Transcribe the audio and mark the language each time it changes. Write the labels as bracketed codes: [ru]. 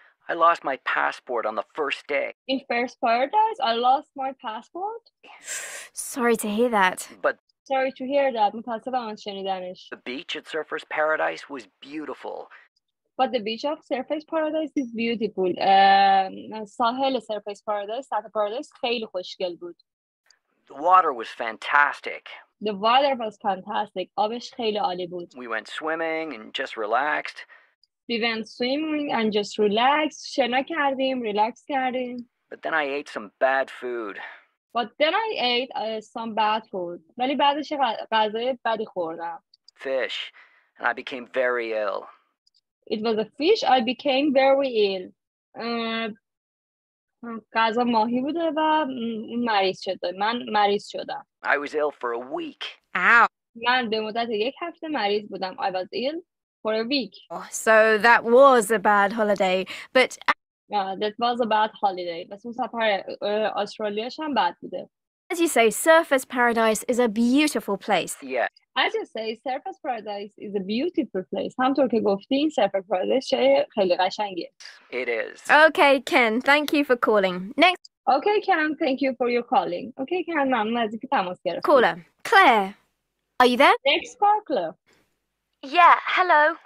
[en] I lost my passport on the first day. In first paradise, I lost my passport? Sorry to hear that. But sorry to hear that. [fa] متاسفم از شنیدنش. [en] The beach at Surfer's paradise was beautiful. But the beach of Surfer's paradise is beautiful. [fa] ساحل Surfer's paradise, ساحل paradise خیلی خوشگل بود. [en] The water was fantastic. The water was fantastic. [fa] آبش خیلی عالی بود. [en] We went swimming and just relaxed. We went swimming and just relaxed. [fa] شنا کردیم, ریلکس کردیم. [en] But then I ate some bad food. But then I ate some bad food. [fa] ولی بعدش غذای بدی خوردم. [en] Fish. And I became very ill. It was a fish. I became very ill. [fa] غذا ماهی بوده و مریض شده. من مریض شدم. [en] I was ill for a week. Ow. [fa] من به مدت یک هفته مریض بودم. [en] I was ill for a week. Oh, so that was a bad holiday. But That was a bad holiday. [fa] بس اون سفر استرالیاش هم بد بوده. [en] As you say, Surfer's Paradise is a beautiful place. Yeah. As you say, Surfer's Paradise is a beautiful place. [fa] همطور که گفتین, Surfer's Paradise شهر خیلی قشنگیه. [en] It is. Okay, Ken, thank you for calling. Next. Okay, Ken, thank you for your calling. [fa] Okay, Ken, ممنون از اینکه تماس گرفتید. [en] Caller. Claire, are you there? Next caller. Yeah, hello.